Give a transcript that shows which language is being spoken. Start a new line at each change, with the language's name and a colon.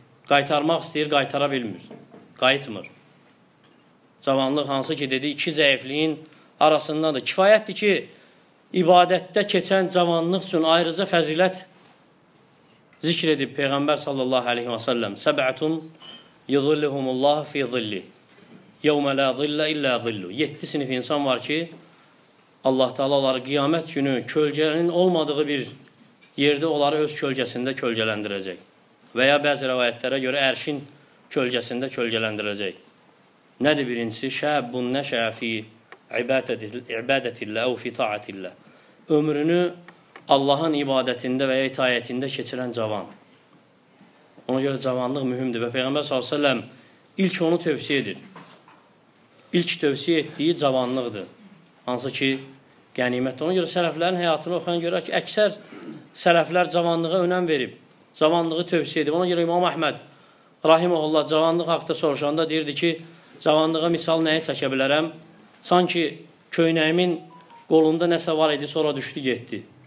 Azerbaijani: Qaytarmaq istəyir, qaytara bilmir, qayıtmır. Cavanlıq hansı ki, dedi, iki zəifliyin arasındadır. Kifayətdir ki, ibadətdə keçən cavanlıq üçün ayrıca fəzilət zikr edib Peyğəmbər sallallahu aleyhi və səlləm.
Arabic: Səbətun yıdıllihumullah fi zilli. يَوْمَ لَا ظِلَّ اِلَّا ظِلُّ.
Turkish: Yetti sınıf insan var ki, Allah Teala onları kıyamet günü kölgenin olmadığı bir yerde onları öz kölgesinde kölgelendirecek. Veya bazı rivayetlere göre erşin kölgesinde kölgelendirecek. Nedir birincisi?
Arabic: شَابٌ نَشَأَ فِي عِبَادَةِ اللّٰهِ اَوْ فِي طَاعَةِ اللّٰهِ.
Turkish: Ömrünü Allah'ın ibadetinde veya itaatinde geçiren cavan. Ona göre cavanlık mühimdir. Ve Peygamber sallallahu aleyhi ve sellem ilk onu tövsiye edir. İlk tövsiye ettiği cavanlıqdır.
Azerbaijani: Hansı ki, gənimətdir. Ona göre sələflərin həyatını oxuyan görür ki, əksər sələflər cavanlığa önəm verib. Cavanlığı tövsiyə edib. Ona görə İmam Əhməd rahimehullah cavanlıq haqqında soruşanda deyirdi ki, cavanlığa misal nəyi çəkə bilərəm? Sanki köynəyimin qolunda nəsə var idi, sonra düşdü, getdi.